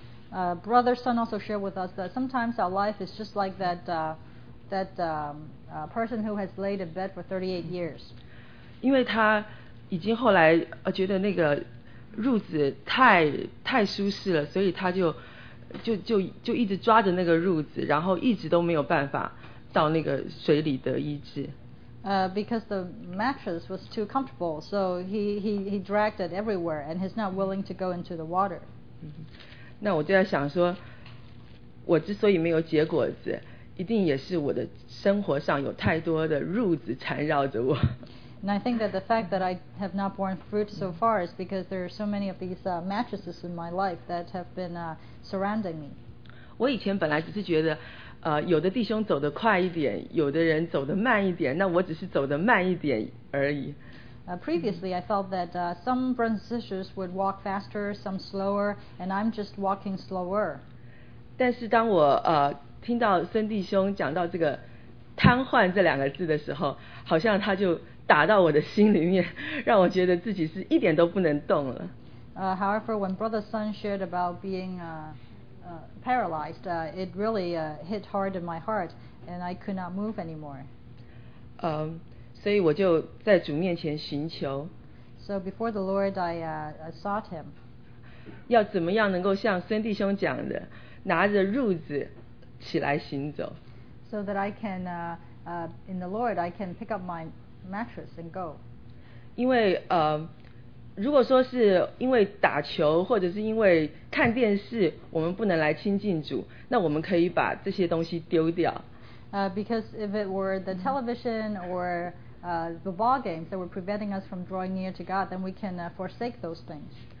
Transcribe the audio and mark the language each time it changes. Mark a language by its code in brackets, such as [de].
[en] Brother Sun also shared with us that sometimes our life is just like that person who has laid in bed for 38 years. [zh] 因为他已经后来觉得那个褥子太舒适了，所以他就一直抓着那个褥子，然后一直都没有办法到那个水里得医治。 [en] Because the mattress was too comfortable, so he dragged it everywhere, and he's not willing to go into the water. [zh] 那我就在想说，我之所以没有结果子，一定也是我的生活上有太多的褥子缠绕着我。 [en] And I think that the fact that I have not borne fruit so far is because there are so many of these mattresses in my life that have been surrounding me. [zh] 我以前本来只是觉得有的弟兄走得快一点，有的人走得慢一点，那我只是走得慢一点而已。 [en] Previously, I felt that some brothers and sisters would walk faster, some slower, and I'm just walking slower. [zh] 但是当我听到孙弟兄讲到这个瘫痪这两个字的时候，好像他就打到我的心里面，让我觉得自己是一点都不能动了。 [en] However, when Brother Sun shared about being paralyzed, it really hit hard in my heart, and I could not move anymore. [zh] 所以我就在主面前寻求。 [en] So before the Lord, I sought Him. [zh] 要怎么样能够像孙弟兄讲的，拿着褥子起来行走 [en] ？So that I can, in the Lord, I can pick up my mattress and go. [zh] 因为如果说是因为打球或者是因为看电视，我们不能来亲近主，那我们可以把这些东西丢掉。 [en] because if it were the television or the ball games that were preventing us from drawing near to God, then we can forsake those things.